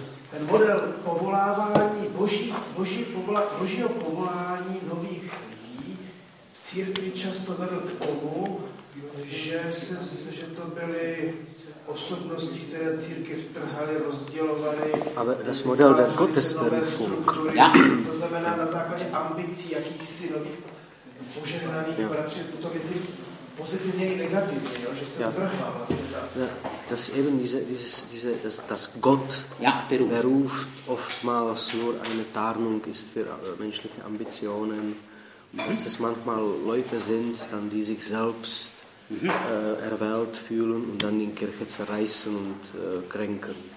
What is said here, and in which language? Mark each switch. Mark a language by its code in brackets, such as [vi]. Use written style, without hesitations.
[cs] Ten model povolávání, božího povolání nových lidí v církvi často vedl k tomu, že to byly osobnosti, které církev trhaly, rozdělovaly. [de] Ale das Modell der Gottesberufung. Ja. [cs] To znamená na základě ambicí jakýchsi nových požehnaných, protože to myslí pozitivně i negativně, jo, že se zvrhla vlastně [de] tak. Das eben diese das Gott beruft oftmals nur eine Tarnung ist für menschliche Ambitionen. Dass es manchmal Leute sind, dann die sich selbst erwählt fühlen und dann in Kirche zerreißen und kränken.